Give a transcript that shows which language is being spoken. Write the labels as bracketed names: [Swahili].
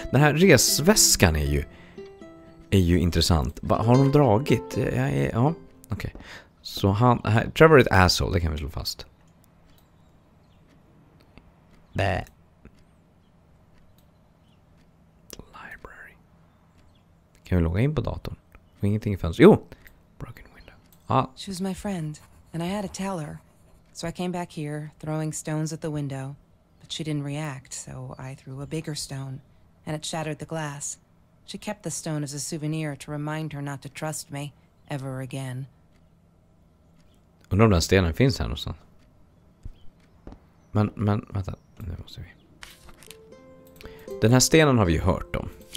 [Swedish] Den här resväskan är ju intressant. Har hon dragit? Ja, okej. Så han, här, Trevor är ett asshole, det kan vi slå fast. Bäh. Library. Kan vi logga in på datorn? Får ingenting i fönstret. Jo! [English] Broken window. Ah. She was my friend, and I had to tell her. So I came back here, throwing stones at the window. But she didn't react, so I threw a bigger stone. And it shattered the glass. She kept the stone as a souvenir to remind her not to trust me ever again. [Swedish] Undrar om den stenen finns här någonstans. Men, vänta. Nu måste vi. Den här stenen har vi ju hört om.